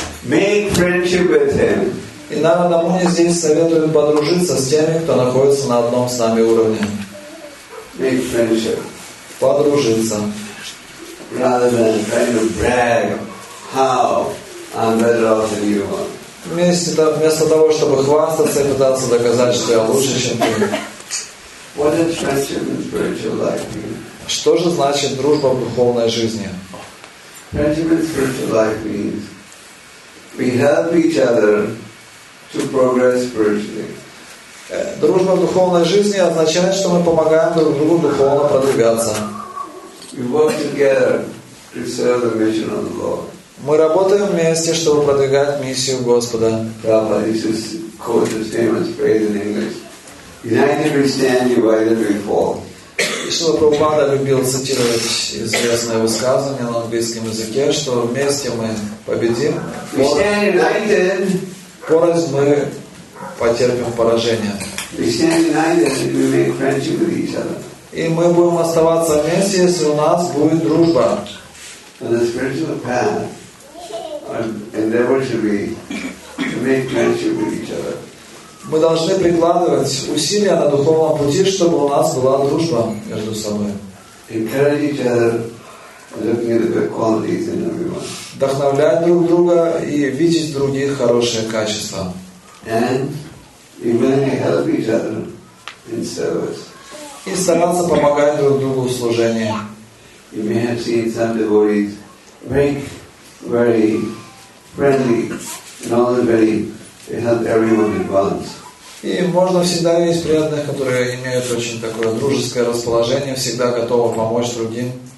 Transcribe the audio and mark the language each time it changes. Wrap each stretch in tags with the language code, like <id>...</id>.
<ru>И Нарада Муни здесь советует подружиться с теми, кто находится на одном с нами уровне.</ru> <en>Make friendship.</en> <ru>Подружиться.</ru> <en>Rather than trying to brag how I'm better off than you are.</en> <ru>Вместо того, чтобы хвастаться и пытаться доказать, что я лучше, чем ты.</ru> <en>What is friendship in spiritual life?</en> <ru>Что же значит дружба в духовной жизни?</ru> <en>Friendship in spiritual life means we help each other to progress spiritually.</en> <ru>Дружба в духовной жизни означает, что мы помогаем друг другу духовно продвигаться.</ru> <en>We work together to serve the mission of the Lord.</en> <ru>Мы работаем вместе, чтобы продвигать миссию Господа.</ru> <en>Prabhupada uses the famous phrase in English. United we stand, divided we fall.</en> <ru>Шрила Прабхупада любил цитировать известное высказывание на английском языке, что вместе мы победим.</ru> <en>We stand united.</en> <ru>Порознь мы потерпим поражение.</ru> <en>We stand united if we make friendship with each other.</en> <ru>И мы будем оставаться вместе, если у нас будет дружба.</ru> <en>And the spiritual path endeavor should be to make friendship with each other.</en> <ru>Мы должны прикладывать усилия на духовном пути, чтобы у нас была дружба между собой.</ru> <en>Encourage each other, looking at the good qualities in everyone.</en> <ru>Вдохновлять друг друга и видеть в других хорошие качества.</ru> <en>And we really help each other in service.</en> <ru>И стараться помогать друг другу в служении.</ru> <en>You may have seen some devotees make very friendly and all the very they help everyone advance.</en> <ru>И можно всегда есть преданных, которые имеют очень такое дружеское расположение, всегда готовы помочь другим.</ru>